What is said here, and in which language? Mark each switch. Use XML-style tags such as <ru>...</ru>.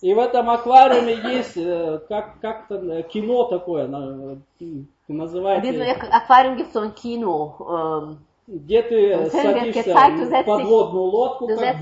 <ru>И в этом аквариуме есть как-то кино такое, называется.</ru> <de>In diesem Aquarium gibt es so ein Kino.</de> <ru>Где ты садишься в подводную лодку, как</ru>